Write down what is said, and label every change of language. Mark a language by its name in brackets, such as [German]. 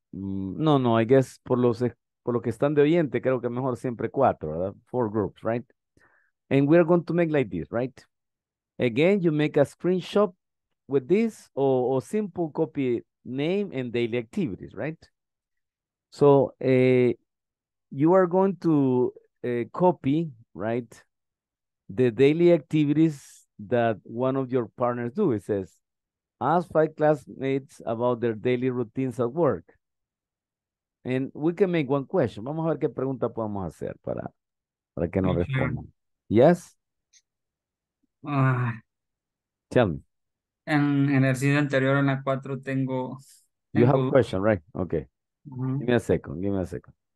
[English] No, I guess [Spanish] por lo que están de oyente, creo que mejor siempre cuatro, ¿verdad? [English] Four groups, right? And we're going to make like this, right? Again, you make a screenshot with this or simple copy name and daily activities, right? So you are going to copy, right, the daily activities that one of your partners do. It says, ask 5 classmates about their daily routines at work. And we can make one question. [Spanish] Vamos a ver qué pregunta podemos hacer para que nos respondan. [English] Yes? Tell me. [Spanish] En el sitio anterior, en la 4, tengo... [English] You have a question, right? Okay. Uh-huh. Give me a second.